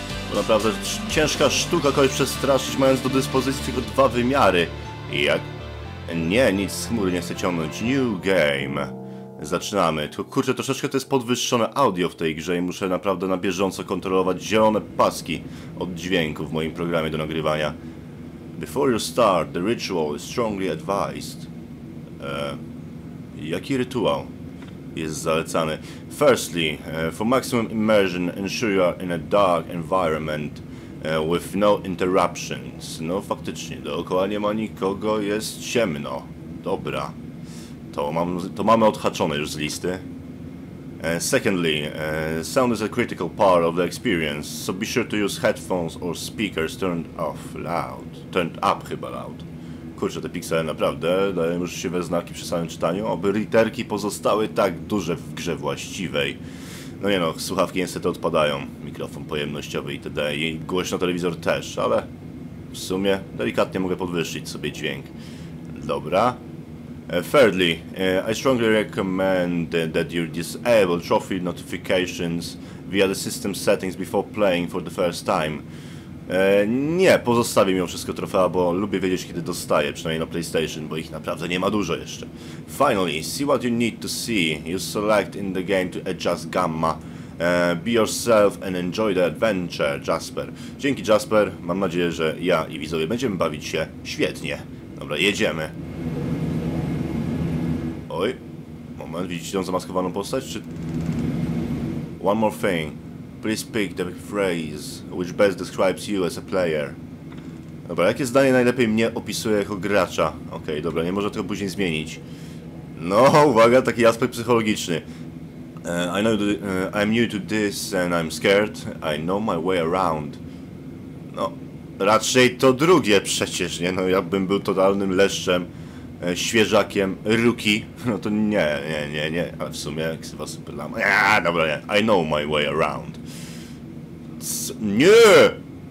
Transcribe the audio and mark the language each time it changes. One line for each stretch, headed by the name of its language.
Polish: Bo naprawdę ciężka sztuka kogoś przestraszyć, mając do dyspozycji tylko dwa wymiary. I jak? Nie, nic z chmury nie chcę ciągnąć.
English: New game.
Polish: Zaczynamy. Tylko kurczę, troszeczkę to jest podwyższone audio w tej grze i muszę naprawdę na bieżąco kontrolować zielone paski od dźwięku w moim programie do nagrywania.
English: Before you start, the ritual is strongly advised.
Polish: Jaki rytuał jest zalecany?
English: Firstly, for maximum immersion, ensure you are in a dark environment with no interruptions.
Polish: No faktycznie, dookoła nie ma nikogo, jest ciemno. Dobra. To mamy odhaczone już z listy.
English: Secondly, sound is a critical part of the experience, so be sure to use headphones or speakers turned off loud. Turned up
Polish: chyba
English: loud.
Polish: Kurczę, te piksele naprawdę dają już się we znaki przy samym czytaniu, aby literki pozostały tak duże w grze właściwej. No nie no, słuchawki niestety odpadają, mikrofon pojemnościowy itd. I głośno telewizor też, ale w sumie delikatnie mogę podwyższyć sobie dźwięk. Dobra.
English: Thirdly, I strongly recommend that you disable trophy notifications via the system settings before playing for the first time.
Polish: Nie, pozostawię mimo wszystko trofea, bo lubię wiedzieć, kiedy dostaję, przynajmniej na PlayStation, bo ich naprawdę nie ma dużo jeszcze.
English: Finally, see what you need to see. You select in the game to adjust gamma. Be yourself and enjoy the adventure, Jasper.
Polish: Dzięki, Jasper. Mam nadzieję, że ja i widzowie będziemy bawić się świetnie. Dobra, jedziemy. Oj, moment, widzicie tą zamaskowaną postać, czy...
English: One more thing. Please pick the phrase which best describes you as a player.
Polish: Dobra, jakie zdanie najlepiej mnie opisuje jako gracza? Okej, dobra, nie można tego później zmienić. No, uwaga, taki aspekt psychologiczny.
English: I know I'm new to this and I'm scared. I know my way around.
Polish: No, raczej to drugie przecież, nie? No, ja bym był totalnym leszczem, świeżakiem, rookie. No to nie. Ale w sumie ksywa super lama. Nie, dobra, nie.
English: I know my way around.
Polish: Nie!